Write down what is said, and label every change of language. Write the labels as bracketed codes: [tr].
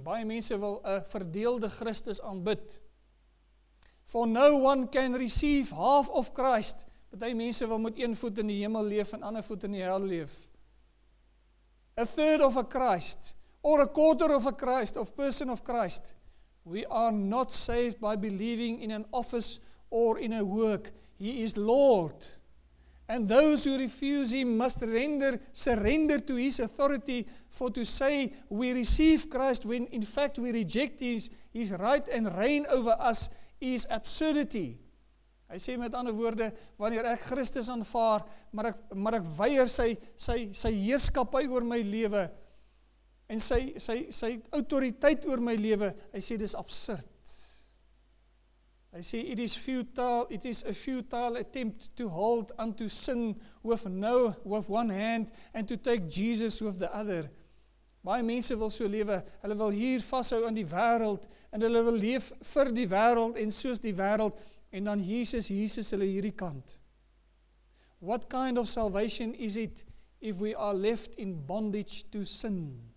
[af] Baie mense wil 'n verdeelde Christus aanbid. [en] For no one can receive half of Christ. [af] Baie mense wil met een voet in die hemel leef en ander voet in die hel leef. [en] A third of a Christ, or a quarter of a Christ, of person of Christ. We are not saved by believing in an office or in a work. He is Lord. And those who refuse him must surrender to his authority, for to say we receive Christ when in fact we reject his right and reign over us is absurdity. [af] Hy sê met ander woorde, wanneer ek Christus aanvaar, maar ek weier sy heerskappy oor my lewe, en sy autoriteit oor my lewe, hy sê, dis absurd. Hy sê, [en] it is a futile attempt to hold unto sin with one hand and to take Jesus with the other. [af] Baie mense wil so lewe, hulle wil hier vashou aan die wêreld, en hulle wil leef vir die wêreld en soos die wêreld, en dan Jesus hulle hierdie kant. [en] What kind of salvation is it if we are left in bondage to sin?